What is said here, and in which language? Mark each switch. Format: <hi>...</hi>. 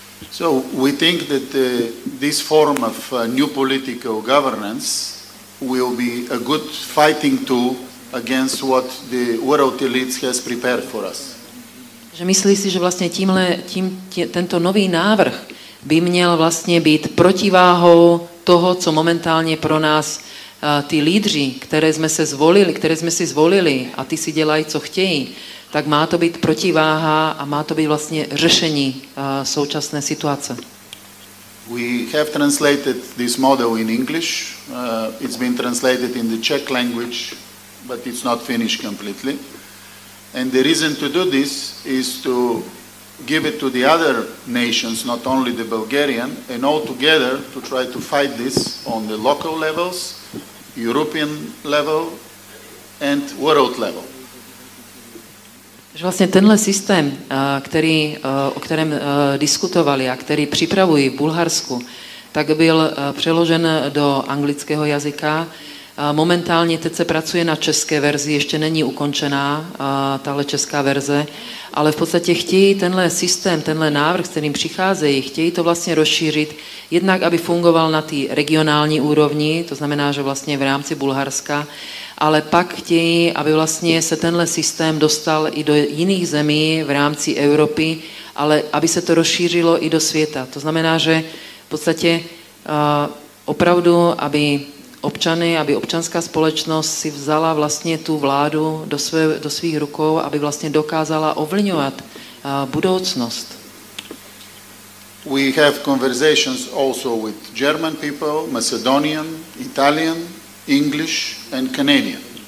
<en>So we think that this form of new political governance will be a good fighting tool against what the world elites has prepared for us.</en> <cs>Že myslí si, že vlastně tento nový návrh by měl vlastně být protiváhou toho, co momentálně pro nás ty lídři, které jsme si zvolili a ty si dělají, co chtějí, tak má to být protiváha a má to být vlastně řešení současné situace.</cs> <en>We have translated this model in English. It's been translated in the Czech language, but it's not finished completely. And the reason to do this is to give it to the other nations, not only the Bulgarian, and all together to try to fight this on the local levels, European level and world level.</en> <cs>Že vlastně tenhle systém, který, o kterém diskutovali a který připravují v Bulharsku, tak byl přeložen do anglického jazyka. Momentálně teď se pracuje na české verzi, ještě není ukončená tahle česká verze, ale v podstatě chtějí tenhle systém, tenhle návrh, s kterým přicházejí, chtějí to vlastně rozšířit, jednak aby fungoval na té regionální úrovni, to znamená, že vlastně v rámci Bulharska, ale pak chtějí, aby vlastně se tenhle systém dostal i do jiných zemí v rámci Evropy, ale aby se to rozšířilo i do světa. To znamená, že v podstatě opravdu, aby občanská společnost si vzala vlastně tu vládu do svých rukou, aby vlastně dokázala ovlivňovat budoucnost.</cs> <en>We have conversations also with German people, Macedonian, Italian, English and Canadian.</en>